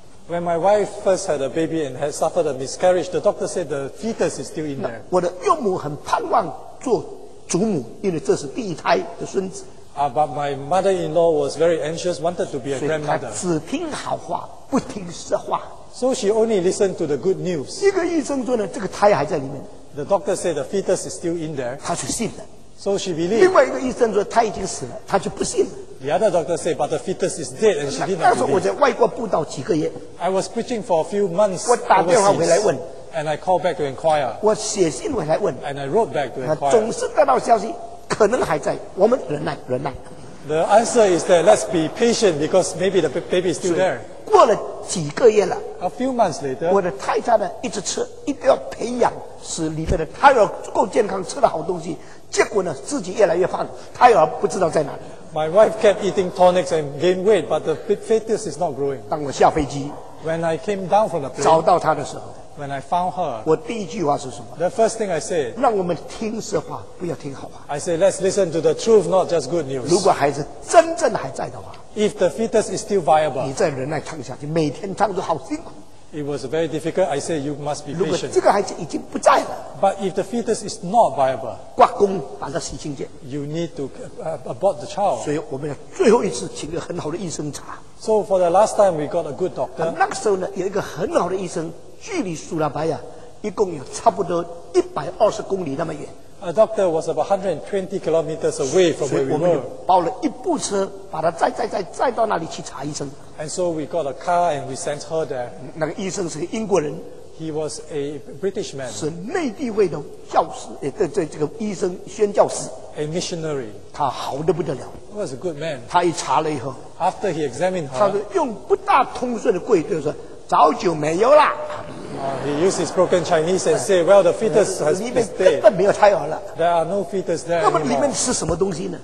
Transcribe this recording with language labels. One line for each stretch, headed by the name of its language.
English: When my wife first had a baby and had suffered a miscarriage, the doctor said the fetus is still in there.
Chinese: 我的岳母很盼望做祖母, 因为这是第一胎的孙子。
English: But my mother-in-law was very anxious, wanted to be a grandmother.
Chinese: 所以她只听好话, 不听实话。
English: So she only listened to the good news.
Chinese: 一个医生说呢, 这个胎还在里面。
English: The doctor said the fetus is still in there.
Chinese: 她就信了。
English: So she believed.
Chinese: 另外一个医生说, 她已经死了, 她就不信了。
English: The other doctor said, but the fetus is dead, and she did not believe. I was preaching for a few months overseas, and I called back to inquire.
Chinese: 我写信回来问,
English: and I wrote back to inquire.
Chinese: 总是得到消息, 可能还在, 我们忍耐, 忍耐。
English: The answer is that let's be patient because maybe the baby is still there.
Chinese: 过了几个月了,
English: a few months later,
Chinese: 我的太太呢一直吃, 一定要培养, 使里面的胎儿足够健康, 吃了好东西, 结果呢, 自己越来越胖, 胎儿不知道在哪里。
English: My wife kept eating tonics and gained weight, but the fetus is not growing.
Chinese: 当我下飞机,
English: when I came down from the plane,
Chinese: 找到她的时候,
English: when I found her,
Chinese: 我第一句话是什么?
English: The first thing I said,
Chinese: 让我们听实话, 不要听好话。
English: I said, let's listen to the truth, not just good news.
Chinese: 如果孩子真正还在的话,
English: if the fetus is still viable,
Chinese: 你再忍耐躺下去, 每天躺着好辛苦。
English: It was very difficult. I said, you must be patient.
Chinese: 如果这个孩子已经不在了,
English: but if the fetus is not viable,
Chinese: 挂工, 把它洗清洁,
English: you need to abort the child.
Chinese: 所以我们最后一次请个很好的医生查,
English: so for the last time, we got a good doctor.
Chinese: 那个时候呢, 有一个很好的医生, 距离苏拉巴亚, 一共有差不多120公里那么远。
English: A doctor was about 120 kilometers away from where we were.
Chinese: 所以我们就包了一部车, 把它载到那里去查医生。
English: And so we got a car and we sent her there.
Chinese: 那个医生是英国人,
English: he was a British man.
Chinese: 是内地位的教师, 这个医生宣教师,
English: a missionary.
Chinese: 他好得不得了,
English: he was a good man.
Chinese: 他一查了以后,
English: after he examined her,
Chinese: 他用不大通顺的贵就是说, 早就没有了。
English: He used his broken Chinese and said, well, the fetus has been dead. There are no fetus there anymore.